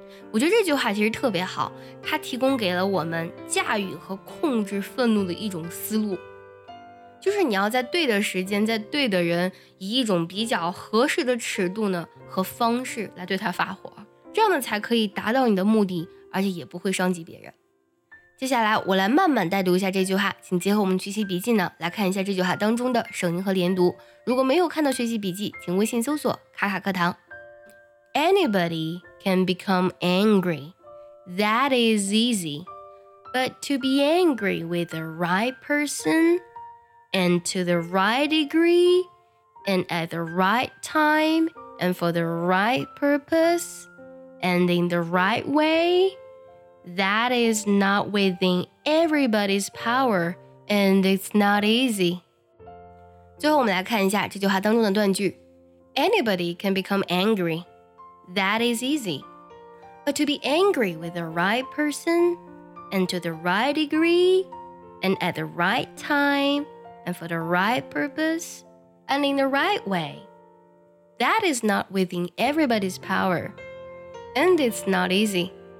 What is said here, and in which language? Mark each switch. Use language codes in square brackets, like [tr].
[zh] 我觉得这句话其实特别好，它提供给了我们驾驭和控制愤怒的一种思路，就是你要在对的时间，在对的人，以一种比较合适的尺度呢和方式来对他发火，这样呢才可以达到你的目的，而且也不会伤及别人。接下来我来慢慢带读一下这句话，请结合我们学习笔记呢来看一下这句话当中的省音和连读。如果没有看到学习笔记，请微信搜索卡卡课堂。 [en] Anybody can become angry, that is easy, but to be angry with the right personAnd to the right degree, and at the right time, and for the right purpose, and in the right way, that is not within everybody's power, and it's not easy. [zh] 最后我们来看一下这句话当中的断句。 [en] Anybody can become angry, that is easy. But to be angry with the right person, and to the right degree, and at the right time,And for the right purpose, and in the right way. That is not within everybody's power, and it's not easy.